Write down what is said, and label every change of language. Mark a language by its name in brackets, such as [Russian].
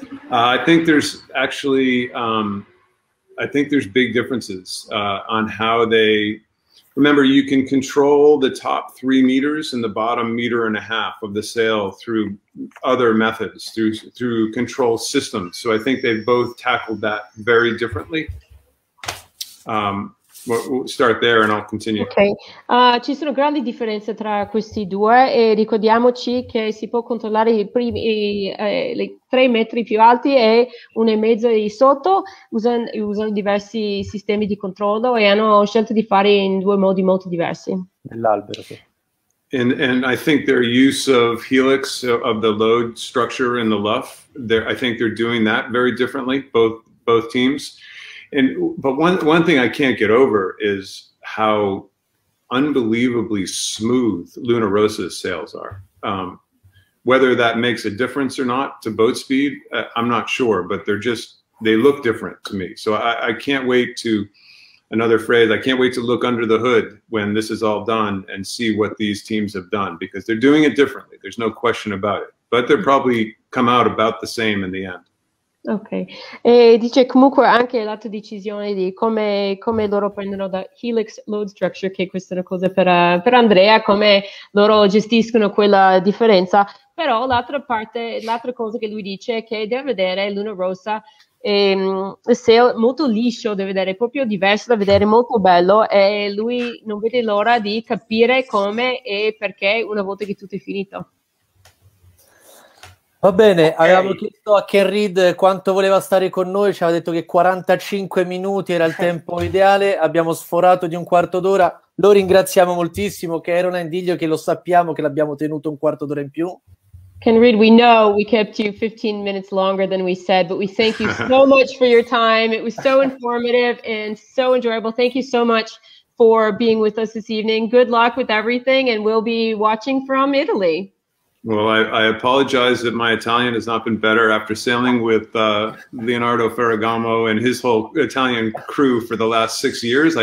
[English] I think there's actually, I think there's big differences on how they, remember, you can control the top 3 meters and the bottom meter and a half of the sail through other methods, through control systems. So I think they've both tackled that very differently. We'll start there and I'll continue. Okay. [Italian] Ci sono grandi differenze tra questi due e ricordiamoci che si può controllare i 3 metri più alti e 1,5 di sotto usando diversi sistemi di controllo, e hanno scelto di fare in 2 modi molto diversi. Nell'albero, sì. [English] And I think their use of helix, of the load structure and the luff, I think they're doing that very differently, both teams. But one thing I can't get over is how unbelievably smooth Luna Rossa's sails are. Whether that makes a difference or not to boat speed, I'm not sure, but they look different to me. So I can't wait to, another phrase, I can't wait to look under the hood when this is all done and see what these teams have done, because they're doing it differently. There's no question about it. but they're probably come out about the same in the end. [Italian] Ok, e dice comunque anche l'atto di decisione di come loro prendono da [English] Helix Load Structure, [Italian] che questa è una cosa per Andrea, come loro gestiscono quella differenza. Però l'altra parte, l'altra cosa che lui dice è che deve vedere Luna Rossa se è molto liscio da vedere, proprio diverso da vedere, molto bello, e lui non vede l'ora di capire come e perché una volta che tutto è finito. Va bene, okay. Avevamo chiesto a Ken Reed quanto voleva stare con noi, ci aveva detto che 45 minuti era il tempo ideale, abbiamo sforato di un quarto d'ora, lo ringraziamo moltissimo, che era un endiglio, che lo sappiamo, che l'abbiamo tenuto un quarto d'ora in più. [English] Ken Reed, we know we kept you 15 minutes longer than we said, but we thank you so much for your time, it was so informative and so enjoyable, thank you so much for being with us this evening, good luck with everything and we'll be watching from Italy. Well, I apologize that my Italian has not been better after sailing with Leonardo Ferragamo and his whole Italian crew for the last 6 years.